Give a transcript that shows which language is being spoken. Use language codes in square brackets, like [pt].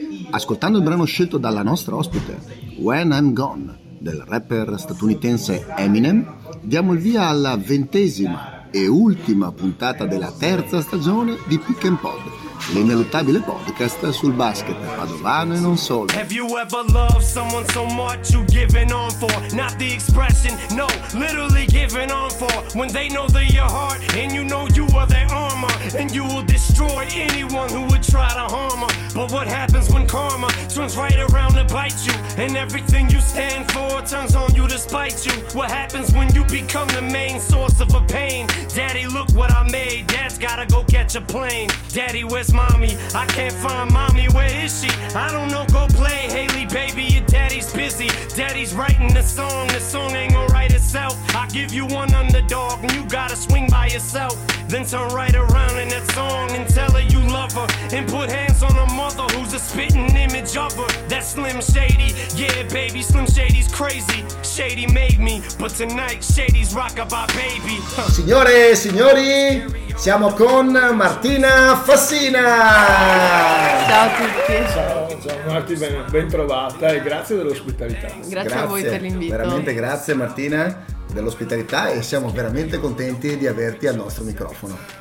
[it] Ascoltando il brano scelto dalla nostra ospite, When I'm Gone, del rapper statunitense Eminem, diamo il via alla ventesima e ultima puntata della terza stagione di Pick and Pod, l'ineluttabile podcast sul basket padovano e non solo. [en] Have you ever loved someone so much you giving on for? Not the expression, no, literally giving on for. When they know they're your heart and you know you are their armor, and you will destroy anyone who would try to harm her. But what happens when karma swings right around to bite you, and everything you stand for turns on you to spite you? What happens when you become the main source of a pain? Daddy, look what I made. Dad's gotta go catch a plane. Daddy, where's mommy? I can't find mommy. Where is she? I don't know. Go play, Haley, baby. Your daddy's busy. Daddy's writing a song. The song ain't gonna write itself. I give you one underdog, and you gotta swing by yourself. Then turn right around in that song and tell her you love her, and put hands on her mother who's a spitting image of her. That Slim Shady, yeah, baby, Slim Shady's crazy. Shady made me, but tonight Shady's rock about baby. [it] Signore e signori, siamo con Martina Fassina. Ciao a tutti. Ciao Marti, ben trovata e grazie dell'ospitalità. Grazie a voi per l'invito. Veramente grazie Martina dell'ospitalità e siamo veramente contenti di averti al nostro microfono.